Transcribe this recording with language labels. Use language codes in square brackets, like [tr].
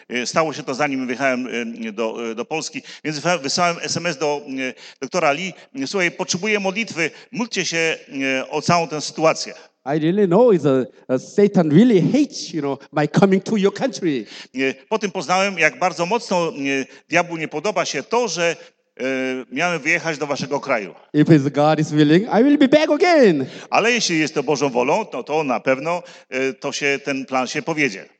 [pl] Stało się to zanim wyjechałem do Polski. Więc wysłałem SMS do doktora Lee. Słuchaj, potrzebuję modlitwy. Módlcie się o całą tę sytuację. [en] I really know is Satan really hates, you know, my coming to your country. [pl] Po tym poznałem, jak bardzo mocno diabłu nie podoba się to, że miałem wyjechać do waszego kraju. [en] If it's God is willing, I will be back again. [pl] Ale jeśli jest to Bożą wolą, to na pewno to się ten plan się powiedzie.